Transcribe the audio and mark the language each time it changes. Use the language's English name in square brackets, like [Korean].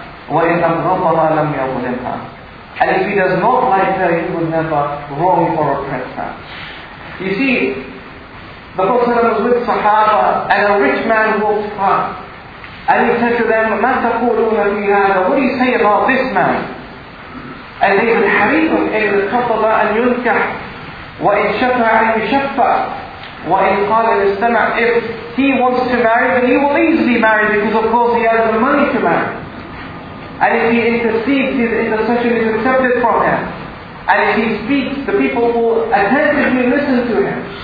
[Arabic] وَإِنْ أَبْغَضَهَا لَمْ يَظْلِمْهَا. [English] And if he does not like her, he will never wrong or oppress her. You see, the Prophet was with Sahaba, and a rich man walked past. And he said to them, [Arabic] مَا تَقُولُونَ فِي هَذَا. [English] What do you say about this man? And they said, [Arabic] حَرِيبٌ إِنْ خَطَبَ أَنْ يُنْكَحْ وَإِنْ شَفَعَ أَنْ يُشَفَّعْ. [English] If he wants to marry, then he will easily marry, because of course he has the money to marry. And if he intercedes, his intercession is accepted from him. And if he speaks, the people will attentively listen to him.